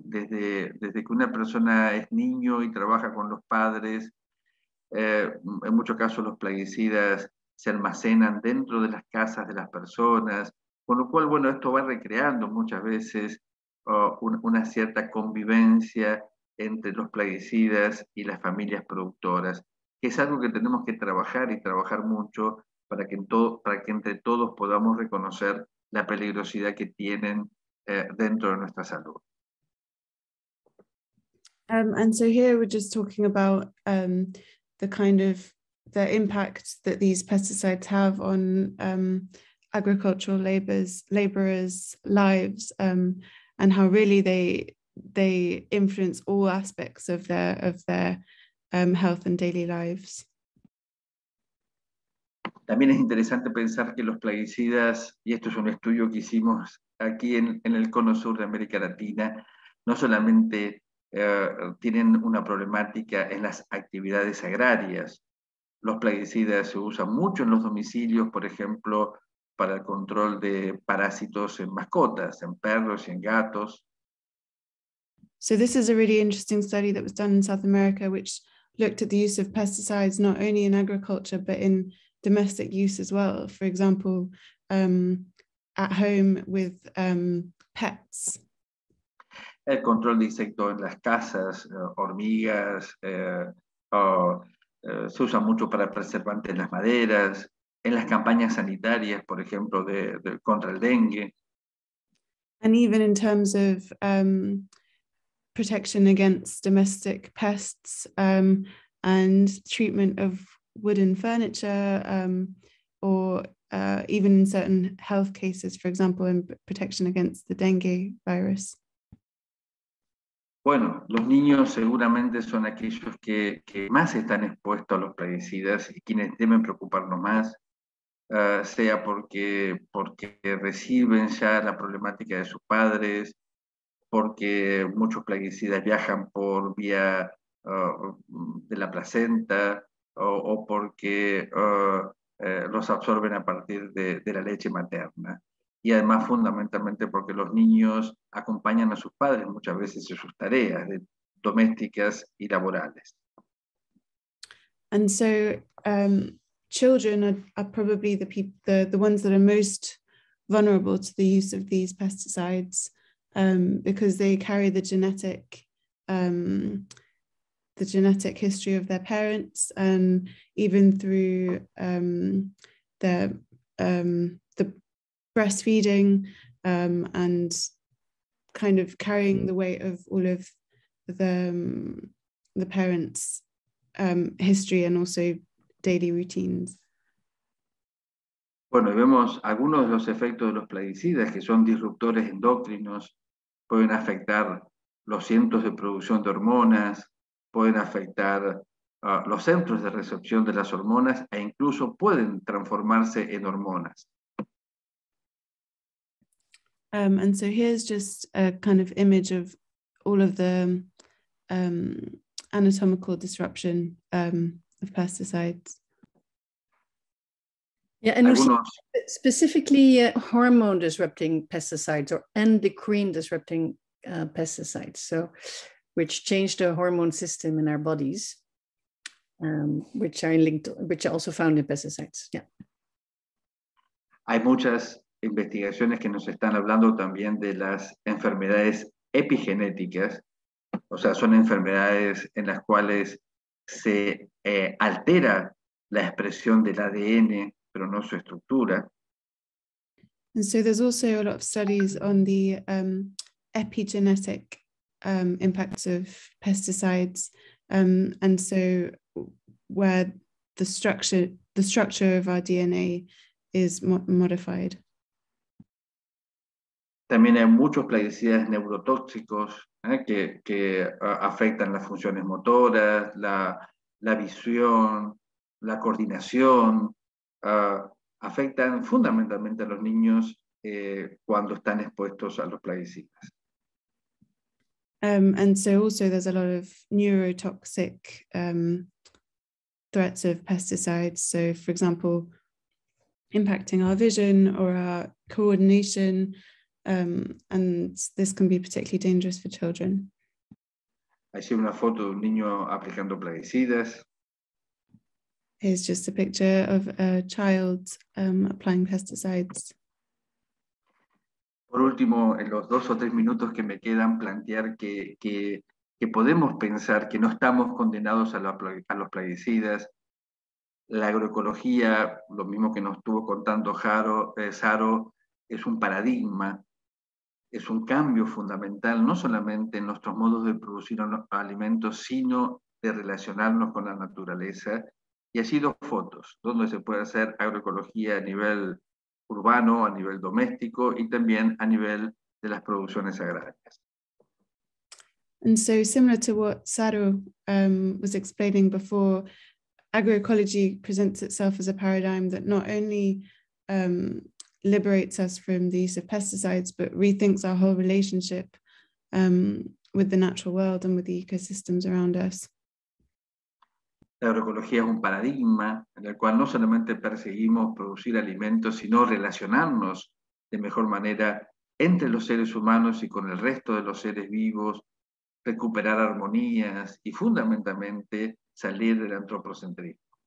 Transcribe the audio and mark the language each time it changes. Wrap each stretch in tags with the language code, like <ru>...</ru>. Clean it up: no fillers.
<es>Desde que una persona es niño y trabaja con los padres, en muchos casos los plaguicidas se almacenan dentro de las casas de las personas, con lo cual, bueno, esto va recreando muchas veces una cierta convivencia entre los plaguicidas y las familias productoras, que es algo que tenemos que trabajar y trabajar mucho para que entre todos podamos reconocer la peligrosidad que tienen dentro de nuestra salud.</es> <en>And so here we're just talking about the impact that these pesticides have on agricultural laborers' lives, and how really they influence all aspects of their health and daily lives.</en> <es>También es interesante pensar que los plaguicidas, y esto es un estudio que hicimos aquí en el cono sur de América Latina, no solamente tienen una problemática en las actividades agrarias. Los plaguicidas se usan mucho en los domicilios, por ejemplo, para el control de parásitos en mascotas, en perros y en gatos.</es> <en>So this is a really interesting study that was done in South America, which looked at the use of pesticides not only in agriculture, but in domestic use as well, for example, at home with pets.</en> <es>El control de insectos en las casas, hormigas, se usa mucho para preservantes en las maderas, en las campañas sanitarias, por ejemplo, de contra el dengue.</es> <en>And even in terms of protection against domestic pests and treatment of wooden furniture, even in certain health cases, for example, in protection against the dengue virus.</en> <es>Bueno, los niños seguramente son aquellos que más están expuestos a los plaguicidas y quienes deben preocuparnos más, sea porque reciben ya la problemática de sus padres, porque muchos plaguicidas viajan por vía de la placenta, o porque los absorben a partir de la leche materna. Y además, fundamentalmente, porque los niños acompañan a sus padres muchas veces en sus tareas domésticas y laborales.</es> <en>And so, children are probably the ones that are most vulnerable to the use of these pesticides, because they carry the genetic history of their parents, and even through the breastfeeding and kind of carrying the weight of all of the parents' history and also daily routines.</en> <es>Bueno, vemos algunos de los efectos de los plaguicidas que son disruptores endocrinos, pueden afectar los centros de producción de hormonas, pueden afectar los centros de recepción de las hormonas e incluso pueden transformarse en hormonas.</es> <en>And so here's just a kind of image of all of the anatomical disruption of pesticides. Yeah, and also specifically hormone disrupting pesticides or endocrine disrupting pesticides. So, which change the hormone system in our bodies. which are also found in pesticides. Yeah.</en> <es>Hay muchas investigaciones que nos están hablando también de las enfermedades epigenéticas, o sea, son enfermedades en las cuales se altera la expresión del ADN, pero no su estructura.</es> <en>And so there's also a lot of studies on the epigenetic impacts of pesticides, and so where the structure of our DNA is modified.</en> <es>También hay muchos plaguicidas neurotóxicos que afectan las funciones motoras, la visión, la coordinación, afectan fundamentalmente a los niños cuando están expuestos a los plaguicidas.</es> <en>And so also there's a lot of neurotoxic threats of pesticides. So for example, impacting our vision or our coordination, and this can be particularly dangerous for children.</en> <es>Allí una foto de un niño aplicando plaguicidas.</es> <en>Here's just a picture of a child applying pesticides.</en> <es>Por último, en los dos o tres minutos que me quedan, plantear que podemos pensar que no estamos condenados a los plaguicidas. La agroecología, lo mismo que nos estuvo contando Saro, es un paradigma, es un cambio fundamental, no solamente en nuestros modos de producir alimentos, sino de relacionarnos con la naturaleza. Y así dos fotos, donde se puede hacer agroecología a nivel urbano, a nivel doméstico y también a nivel de las producciones agrarias.</es> <en>And so similar to what Saro was explaining before, agroecology presents itself as a paradigm that not only liberates us from the use of pesticides, but rethinks our whole relationship with the natural world and with the ecosystems around us.</en> <es>La agroecología es un paradigma en el cual no solamente perseguimos producir alimentos, sino relacionarnos de mejor manera entre los seres humanos y con el resto de los seres vivos, recuperar armonías y fundamentalmente salir del antropocentrismo.</es>